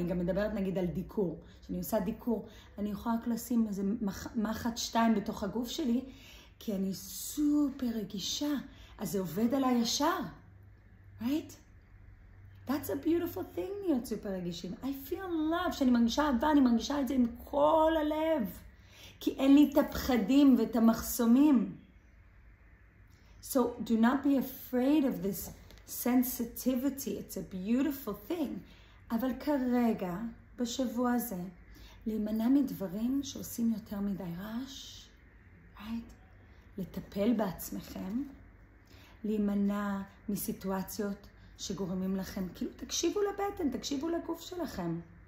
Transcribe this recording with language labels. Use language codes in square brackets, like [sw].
[he] אני גם מדברת נגיד על דיכור. כשאני עושה דיכור, אני יכולה רק לשים איזה מחט שתיים בתוך הגוף שלי, כי אני סופר רגישה. אז זה עובד עליי ישר. [en] Right? That's a beautiful thing, [he] להיות סופר רגישים. [en] I feel love, [he] כשאני מרגישה אהבה, אני מרגישה את זה עם כל הלב. כי אין לי את הפחדים ואת המחסומים. [en] So do not be afraid of this sensitivity. It's a beautiful thing. [he] אבל כרגע, בשבוע הזה, להימנע מדברים שעושים יותר מדי רעש, right? לטפל בעצמכם, להימנע מסיטואציות שגורמים לכם, כאילו תקשיבו לבטן, תקשיבו לגוף שלכם.